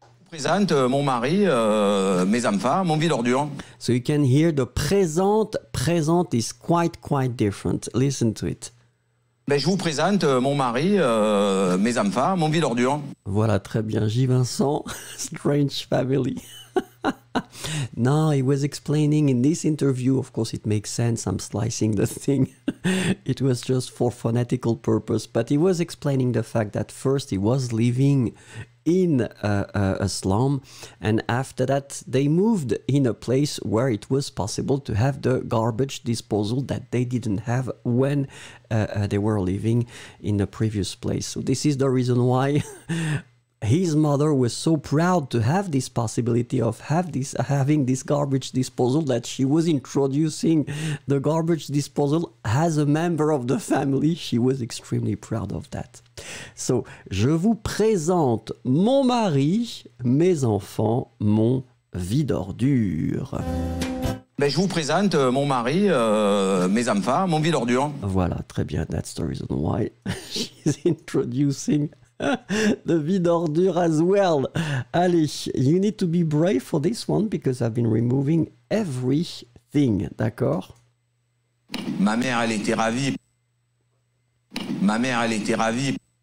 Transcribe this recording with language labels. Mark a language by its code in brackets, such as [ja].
[fr] Présente mon mari, mes enfants, mon vide d'ordure. [en] So you can hear the présente is quite different. Listen to it. [fr] Ben, je vous présente mon mari, mes enfants, mon vide ordure. Voilà, très bien. J. Vincent, [en] strange family. No, he was explaining in this interview, of course it makes sense, I'm slicing the thing. It was just for phonetical purpose, but he was explaining the fact that first he was living in a slum, and after that they moved in a place where it was possible to have the garbage disposal that they didn't have when they were living in the previous place. So this is the reason why his mother was so proud to have this possibility of having this garbage disposal that she was introducing the garbage disposal as a member of the family. She was extremely proud of that. [fr] So, je vous présente mon mari, mes enfants, mon vide d'ordure. Ben, je vous présente mon mari, mes enfants, mon vide d'ordure. Voilà, très bien. [en] That's the reason why she's introducing the vide ordure as well. Allez, you need to be brave for this one because I've been removing everything, [fr] d'accord? Ma mère, elle était ravie. Ma mère, elle était ravie.